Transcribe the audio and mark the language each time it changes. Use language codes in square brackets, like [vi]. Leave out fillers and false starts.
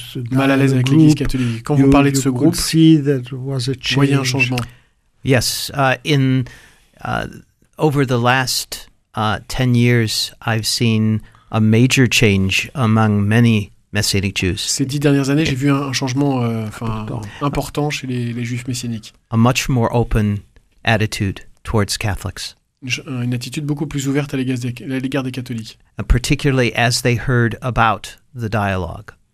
[fr] mal à l'aise avec l'Église catholique, quand vous parlez de ce groupe, [en] you could see that was a change. [fr] Voyez un changement. [en] Yes, in over the last 10 years, I've seen a major change among many. Messianic Jews. [fr] Ces 10 dernières années, j'ai vu un changement important chez les juifs messianiques. [en] A much more open attitude towards Catholics. [fr] Une attitude beaucoup plus ouverte à l'égard des catholiques. [en] Particularly as they heard about the dialogue.